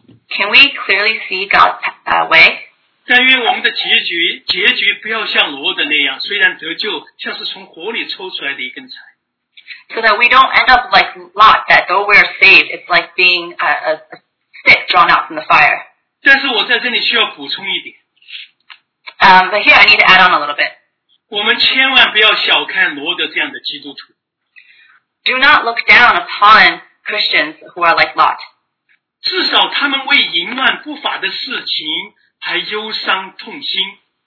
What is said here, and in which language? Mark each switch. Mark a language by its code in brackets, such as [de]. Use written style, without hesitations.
[en] Can we clearly see God's way? [zh] 但愿我们的结局不要像罗德那样，虽然得救，像是从火里抽出来的一根柴。 [en] So that we don't end up like Lot, that though we're saved, it's like being a stick drawn out from the fire. [zh] 但是我在这里需要补充一点。 [en] But here I need to add on a little bit. [zh] 我们千万不要小看罗德这样的基督徒。 [en] Do not look down upon Christians who are like Lot. [zh] 至少他们为淫乱不法的事情还忧伤痛心。